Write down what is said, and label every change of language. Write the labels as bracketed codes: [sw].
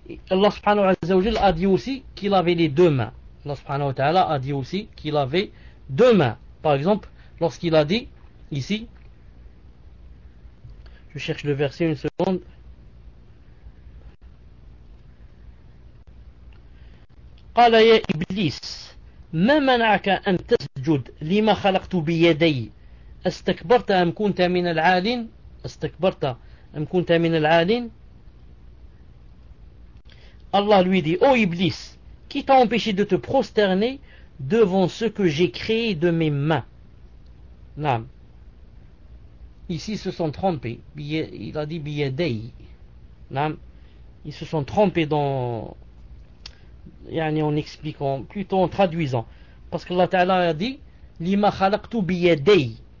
[fr] Allah subhanahu wa ta'ala a dit aussi qu'il avait les deux mains. Allah subhanahu wa ta'ala a dit aussi qu'il avait deux mains. Par exemple, lorsqu'il a dit ici, je cherche le verset une seconde. [ar] قال يا إبليس ما منعك أن تسجد لما خلقت بيدي استكبرت أم كنت من العالين استكبرت أم كنت من العالين الله [fr] lui dit oh Iblis, qui t'a empêché de te prosterner devant ce que j'ai créé de mes mains. نعم ici se sont trompés, il a dit بيدي. نعم ils se sont trompés dans يعني en expliquant, plutôt en traduisant. Parce que Allah Ta'ala a dit, [ar] لِمَا خَلَقْتُ بِيَدَيْ.